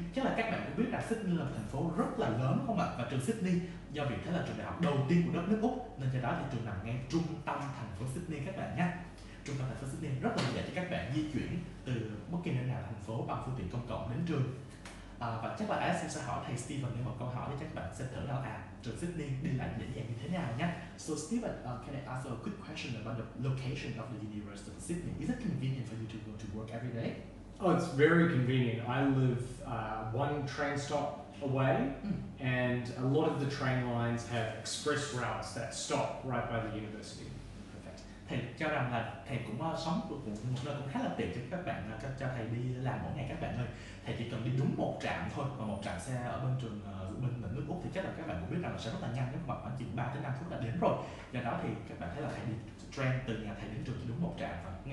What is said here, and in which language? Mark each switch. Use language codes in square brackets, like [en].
[vi] Chắc là các bạn cũng biết là Sydney là một thành phố rất là lớn không ạ? Và trường Sydney do vì thế là trường đại học đầu tiên của đất nước Úc, nên do đó thì trường nằm ngay trung tâm thành phố Sydney các bạn nhé. Trung tâm thành phố Sydney rất là dễ cho các bạn di chuyển từ bất kỳ nơi nào thành phố bằng phương tiện công cộng đến trường. À, và chắc là Alex sẽ hỏi thầy Stephen một câu hỏi để các bạn sẽ thử nào à, trường Sydney đi lại dễ dàng như thế nào nhé. [en] So Stephen, can I ask a quick question about the location of the University of Sydney? Is it convenient for you to go to work every day? Oh, it's very convenient. I live one train stop away, and a lot of the train lines have express routes that stop right by the university. Perfect. [vi] Thầy cho rằng là thầy cũng sống được một nơi cũng khá là tiện cho các bạn, cho thầy đi làm mỗi ngày các bạn ơi. Thầy chỉ cần đi đúng một trạm thôi, và một trạm xe ở bên trường bên mình nước Úc thì chắc là các bạn cũng biết rằng là sẽ rất là nhanh, nếu mà khoảng chừng 3-5 phút là đến rồi. Do đó thì các bạn thấy là thầy đi train từ nhà thầy đến trường chỉ đúng một trạm thôi.